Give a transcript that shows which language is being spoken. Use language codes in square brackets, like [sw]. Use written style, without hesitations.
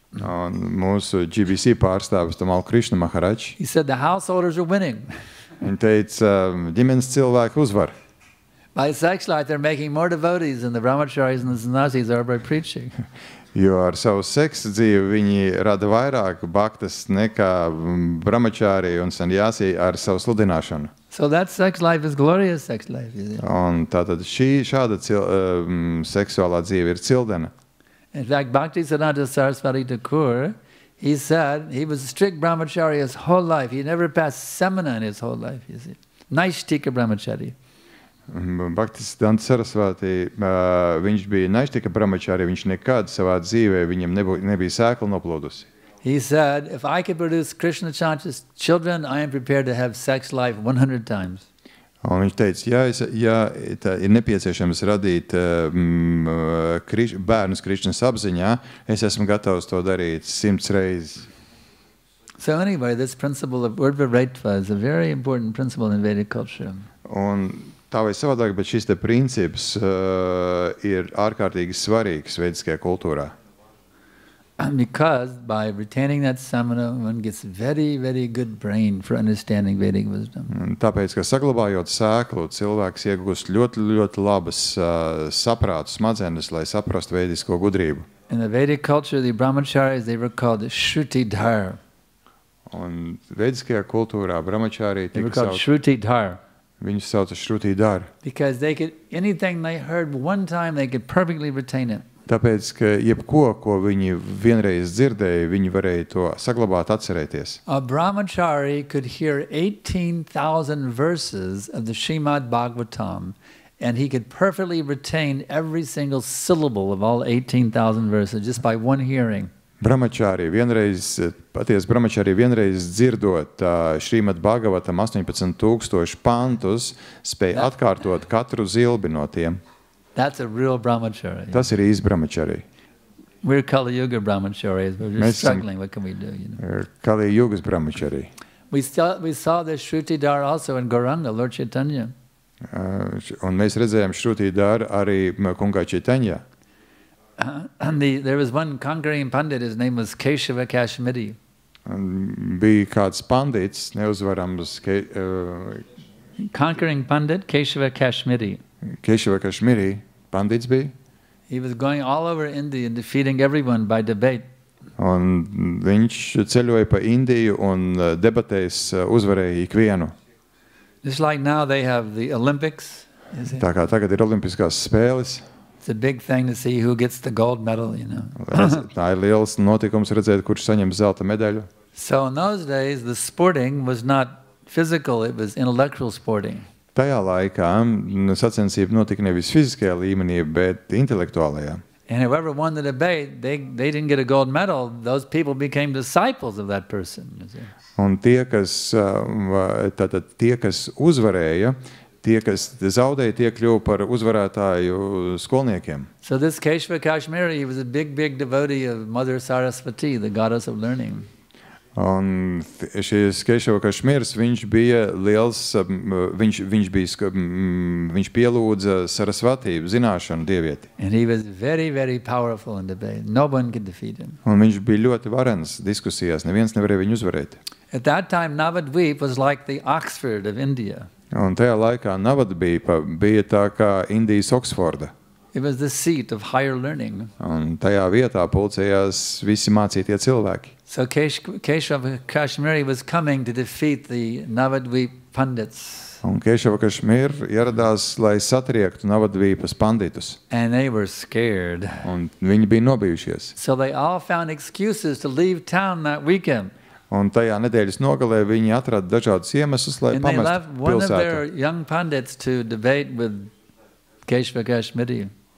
[lv] Un mūsu GBC pārstāvis Tamal Krishna Maharaj. [en] He said the householders are winning. [lv] Viņi teica, ģimenes cilvēki uzvar. [en] By sex life, they're making more devotees than the brahmacharis and the sannyasis are by preaching. [lv] Jo ar savu seksu dzīvi viņi rada vairāk baktas nekā brahmačāri un sannyasi ar savu sludināšanu. [en] So that sex life is glorious sex life. [lv] Un tātad šāda seksuālā dzīve ir cildena. [en] In fact, Bhakti Sanatana Sarasvati Thakur, he said he was a strict brahmachari his whole life. He never passed semina in his whole life. You see, naishtika brahmachari. [lv] Bhaktis Dant Sarasvati, viņš bija naistika brahmačāri, viņš nekad savā dzīvē viņam nebija sēkla noplūdusi. [en] He said, if I could produce Krishna conscious children, I am prepared to have sex life 100 times. [lv] Un viņš teica, ja tā ir nepieciešams radīt bērnus Krišnas apziņā, es esmu gatavs to darīt 100 reizes. [en] So anyway, this principle of urdhva-raitva is a very important principle in Vedic culture. [lv] Un tā vai savādāk, bet šis te princips ir ārkārtīgi svarīgs vediskajā kultūrā. [en] Because by retaining that samana, one gets very, very good brain for understanding Vedic wisdom. [lv] Tāpēc, ka saglabājot sēklu, cilvēks iegūst ļoti, ļoti labas saprātu smadzenes, lai saprastu vedisko gudrību. [en] In the Vedic culture, the brahmacharis, they were called shrutidhar. [lv] Un vediskajā kultūrā brahmacharī tika [en] they were called shrutidhar. [lv] Viņi sauca shrutidhar. [en] Because they could anything they heard one time they could perfectly retain it. [lv] Tāpēc ka jebko, ko viņi vienreiz dzirdēja, viņi varēja to saglabāt, atcerēties. [en] A brahmachari could hear 18,000 verses of the Śrīmad Bhāgavatam and he could perfectly retain every single syllable of all 18,000 verses just by one hearing. [lv] Brahmačārī vienreiz dzirdot Śrīmad Bhāgavatam 18,000 pantus, spēja atkārtot katru zilbi no tiem. [en] That's a real brahmachari. [lv] Tas ir īsts brahmačārī. [en] We're Kali Yuga brahmacharis, but we're struggling, what can we do, you know? [lv] Kali Yuga's brahmacharī. [en] We saw this Shrutidhar also in Gauranga, Lord Chaitanya. [lv] Un mēs redzējām Shrutidhar arī kungā Chaitanya. [en] There was one conquering pandit, his name was Keshava Kashmiri. [lv] Bija kāds pandits, neuzvarams. [en] Conquering pandit, Keshava Kashmiri. [lv] Keshava Kashmiri, pandits bija. [en] He was going all over India and defeating everyone by debate. [lv] Un viņš ceļoja pa Indiju un debatēs uzvarēja ikvienu. [en] Just like now they have the Olympics. [lv] Tā kā tagad ir olimpiskās spēles. [en] It's a big thing to see who gets the gold medal, you know. [lv] Tā ir liels notikums redzēt, kurš saņem zelta medaļu. [en] So in those days, the sporting was not physical, it was intellectual sporting. [lv] Tajā laikā sacensība notika nevis fiziskajā līmenī, bet intelektuālajā. [en] And whoever won the debate, they didn't get a gold medal. Those people became disciples of that person. [lv] Un tie, kas uzvarēja, tie, kas zaudēja, tie kļuva par uzvarētāju skolniekiem. [en] So this Keshava Kashmiri, he was a big, big devotee of Mother Sarasvati, the goddess of learning. [lv] Un šis Keshava Kashmiris, viņš pielūdza Sarasvati, zināšanu dievieti. [en] And he was very, very powerful in debate. No one could defeat him. [lv] Un viņš bija ļoti varens diskusijās, neviens nevarēja viņu uzvarēt. [en] At that time, Navadvip was like the Oxford of India. [lv] Un tajā laikā Navadvipa bija tā kā Indijas Oksforda. [en] It was the seat of higher learning. [lv] Un tajā vietā pulcējās visi mācītie cilvēki. [en] So Keshava Kashmiri was coming to defeat the Navadvip pandits. [lv] Un Keshava Kashmir ieradās, lai satriektu Navadvipas panditus. [en] And they were scared. [lv] Un viņi bija nobijušies. [en] So they all found excuses to leave town that weekend. [lv] Un tajā nedēļas nogalē viņi atrada dažādus iemeslus, lai pamestu pilsētu. [en] One of their young pandits to debate with Keshava Kashmiri.